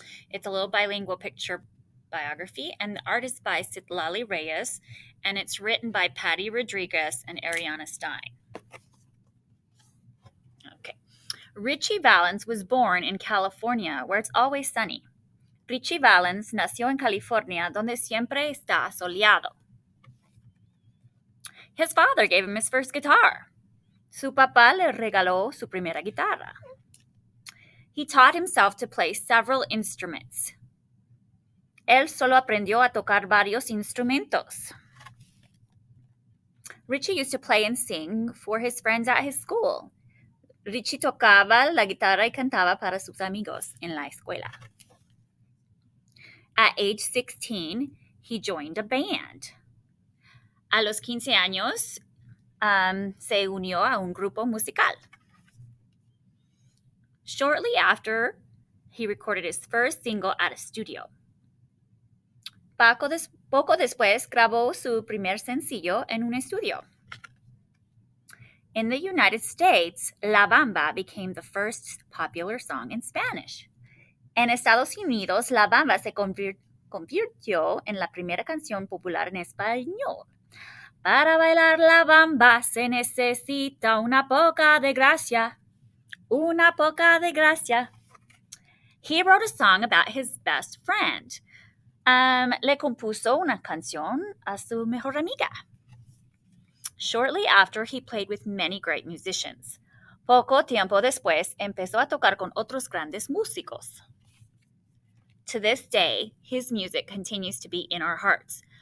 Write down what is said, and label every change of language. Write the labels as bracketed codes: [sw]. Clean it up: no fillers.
[en] It's a little bilingual picture biography, and the art is by Citlali Reyes, and it's written by Patty Rodriguez and Ariana Stein. Okay. Ritchie Valens was born in California, where it's always sunny. [es] Ritchie Valens nació en California, donde siempre está soleado. [en] His father gave him his first guitar. [es] Su papá le regaló su primera guitarra. [en] He taught himself to play several instruments. [es] Él solo aprendió a tocar varios instrumentos. [en] Richie used to play and sing for his friends at his school. [es] Richie tocaba la guitarra y cantaba para sus amigos en la escuela. [en] At age 16, he joined a band. [es] A los 15 años, se unió a un grupo musical. [en] Shortly after, he recorded his first single at a studio. [es] Poco después, grabó su primer sencillo en un estudio. [en] In the United States, La Bamba became the first popular song in Spanish. [es] En Estados Unidos, La Bamba se convirtió en la primera canción popular en español. Para bailar la bamba se necesita una poca de gracia, una poca de gracia. [en] He wrote a song about his best friend. [es] Le compuso una canción a su mejor amiga. [en] Shortly after, he played with many great musicians. [es] Poco tiempo después, empezó a tocar con otros grandes músicos. [en] To this day, his music continues to be in our hearts.